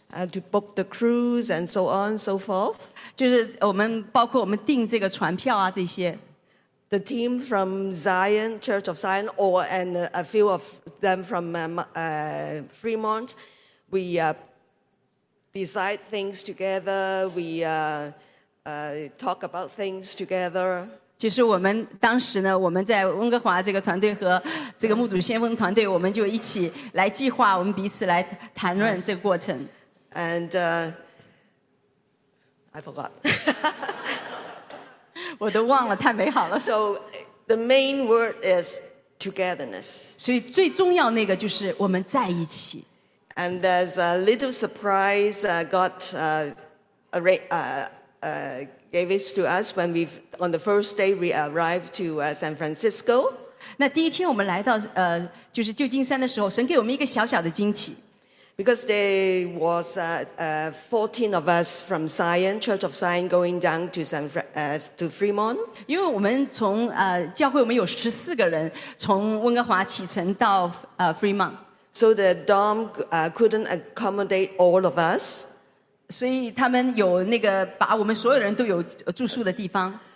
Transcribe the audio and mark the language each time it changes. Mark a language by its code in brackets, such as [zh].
[en] To book the cruise and so on and so forth. [zh] 就是我们包括我们订这个船票啊这些。 [en] The team from Zion, Church of Zion, or and a few of them from Fremont, we decide things together, we talk about things together. [zh] 其实我们当时呢,我们在温哥华这个团队和这个牧主先锋团队, 我们就一起来计划, 我们彼此来谈论这个过程。 [en] And I forgot. [zh] 我都忘了, 太美好了。 [en] So the main word is togetherness. [zh] 所以最重要那个就是我们在一起。 [en] And there's a little surprise God gave it to us when we on the first day we arrived to San Francisco. [zh] 那第一天我们来到 就是旧金山的时候, 神给我们一个小小的惊奇。 [en] Because there was 14 of us from Zion, Church of Zion, going down to San to Fremont. [zh] 因为我们从 教会我们有14个人 从温哥华启程到 Fremont. [en] So the dorm couldn't accommodate all of us. [zh] 所以他们有那个把我们所有人都有住宿的地方。